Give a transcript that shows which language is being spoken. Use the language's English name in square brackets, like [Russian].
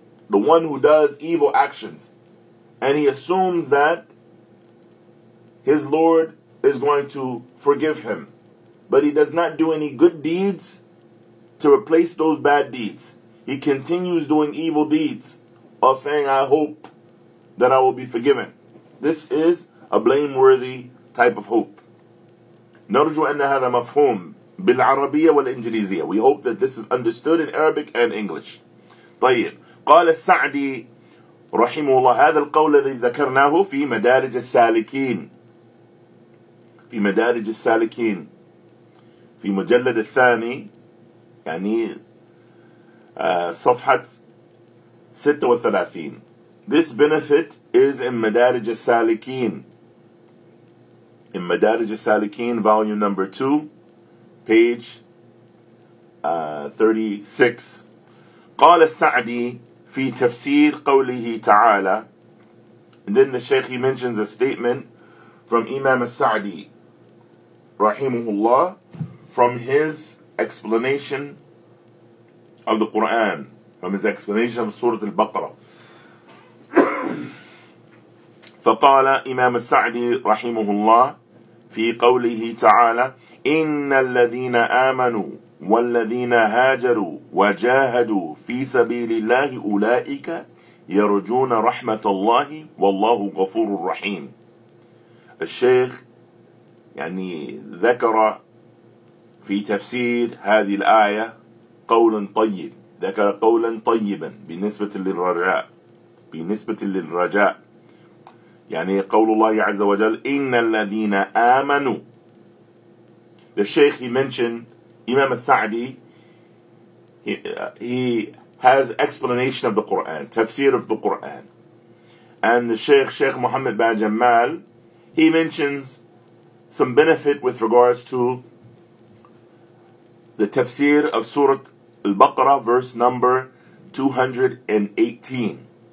[English] The one who does evil actions, and he assumes that his Lord is going to forgive him. But he does not do any good deeds to replace those bad deeds. He continues doing evil deeds while saying, I hope that I will be forgiven. This is a blameworthy type of hope. [Arabic] نرجو أن هذا مفهوم بالعربية والإنجليزية. [English] We hope that this is understood in Arabic and English. طيب. [Arabic] قال السعدي رحمه الله هذا القول الذي ذكرناه في مدارج السالكين، في مدارج السالكين في مجلد الثاني، يعني صفحة 36. [English] This benefit is in مدارج السالكين. In مدارج السالكين volume number 2 page [Arabic] 36 قال السعدي في تفسير قوله تعالى. [English] And then the Shaykh, he mentions a statement from Imam al-Sa'di, rahimahullah, from his explanation of the Qur'an, from his explanation of Surah al-Baqarah. [Arabic] فقال إمام السعدي رحمه الله في قوله تعالى إن الذين آمنوا والذين هاجروا وجاهدوا في سبيل الله أولئك يرجون رحمة الله والله غفور رحيم. الشيخ يعني ذكر في تفسير هذه الآية قولا طيب, ذكر قولا طيبا بالنسبة للرجاء, بالنسبة للرجاء يعني قول الله عز وجل إن الذين آمنوا. [English] The Shaykh, he mentioned Imam al-Sa'di, he has explanation of the Quran, tafsir of the Quran. And the Shaykh, Shaykh Muhammad bin Jamal, he mentions some benefit with regards to the tafsir of Surah Al-Baqarah, verse number 218.